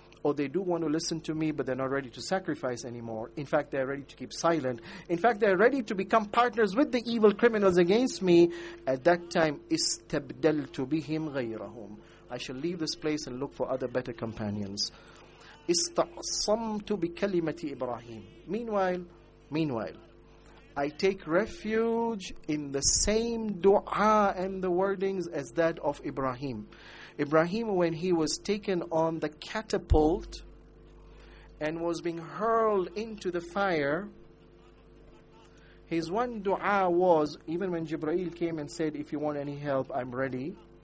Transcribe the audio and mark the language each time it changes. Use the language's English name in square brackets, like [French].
[English] or they do want to listen to me, but they're not ready to sacrifice anymore. In fact, they're ready to keep silent. In fact, they're ready to become partners with the evil criminals against me. At that time, [Arabic] استبدلتُ بهم غيرهم. [English] I shall leave this place and look for other better companions. [Arabic] استعصمتُ بكلمتي إبراهيم. [English] Meanwhile, I take refuge in the same dua and the wordings as that of Ibrahim. Ibrahim, when he was taken on the catapult and was being hurled into the fire, his one dua was, even when Jibreel came and said, if you want any help, I'm ready.